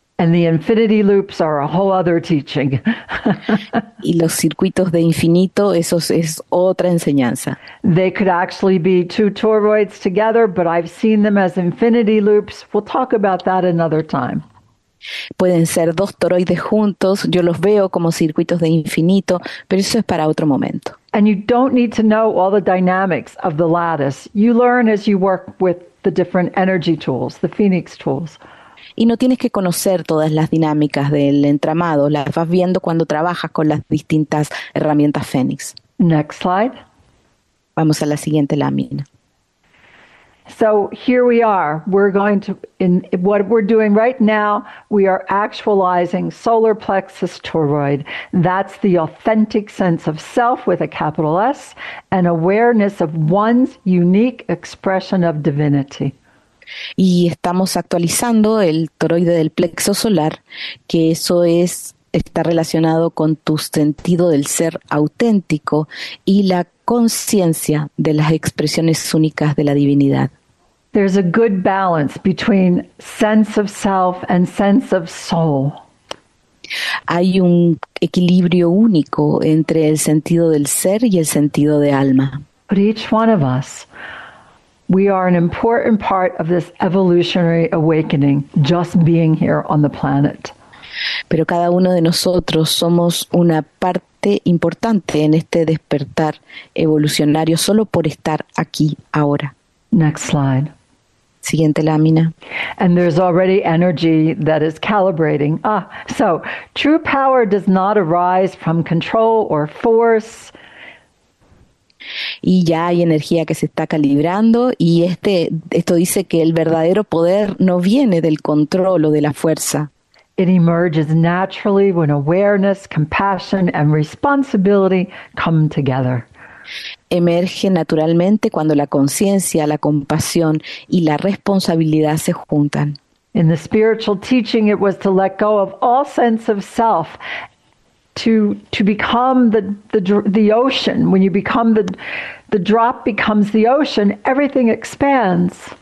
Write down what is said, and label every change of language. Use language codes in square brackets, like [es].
[en] And the infinity loops are a whole other teaching. [es] Y los circuitos de infinito, eso es otra enseñanza. [en] They could actually be two toroids together, but I've seen them as infinity loops. We'll talk about that another time. [es] Pueden ser dos toroides juntos. Yo los veo como circuitos de infinito, pero eso es para otro momento. [en] And you don't need to know all the dynamics of the lattice. You learn as you work with the different energy tools, the Phoenix tools. [es] Y no tienes que conocer todas las dinámicas del entramado, las vas viendo cuando trabajas con las distintas herramientas Fénix. [en] Next slide. [es] Vamos a la siguiente lámina. [en] So here we are. We're going to, in what we're doing right now, we are actualizing solar plexus toroid. That's the authentic sense of self with a capital S, an awareness of one's unique expression of divinity. [es] Y estamos actualizando el toroide del plexo solar, que eso es está relacionado con tu sentido del ser auténtico y la conciencia de las expresiones únicas de la divinidad. [en] There's a good balance between sense of self and sense of soul. [es] Hay un equilibrio único entre el sentido del ser y el sentido de alma. [en] But each one of us, we are an important part of this evolutionary awakening, just being here on the planet. [es] Pero cada uno de nosotros somos una parte importante en este despertar evolucionario solo por estar aquí ahora. [en] Next slide. [es] Siguiente lámina. [en] And there's already energy that is calibrating. So true power does not arise from control or force. [es] Y ya hay energía que se está calibrando y esto dice que el verdadero poder no viene del control o de la fuerza. [en] It emerges naturally when awareness, compassion, and responsibility come together. [es] Emerge naturalmente cuando la conciencia, la compasión y la responsabilidad se juntan. [en] In the spiritual teaching, it was to let go of all sense of self, to become the ocean. When you become the drop becomes the ocean, everything expands.